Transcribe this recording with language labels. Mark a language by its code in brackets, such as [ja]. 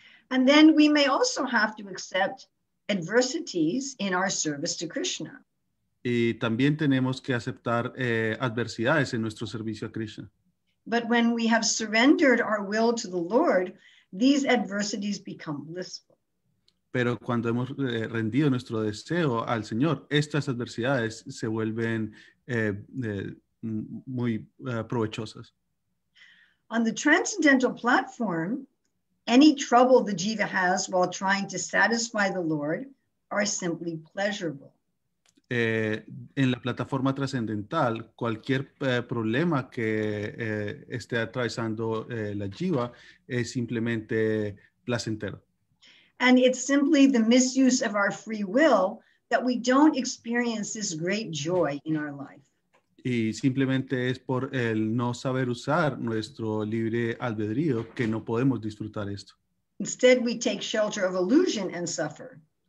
[en] And then we may also have to accept adversities in our service to Krishna. [es] Y también tenemos que aceptar adversidades en nuestro servicio a Krishna. [en] But when we have surrendered our will to the Lord, these adversities become blissful. [es] Pero cuando hemos rendido nuestro deseo al Señor, estas adversidades se vuelven muy provechosas. [en] On the transcendental platform, any trouble the jiva has while trying to satisfy the Lord are simply pleasurable. [es] En la plataforma trascendental, cualquier problema que esté atravesando la jiva es simplemente placentero. [en] And it's simply the misuse of our free will that we don't experience this great joy in our life. [es] Y simplemente es por el no saber usar nuestro libre albedrío que no podemos disfrutar esto. [en] Instead, we take shelter of illusion and suffer.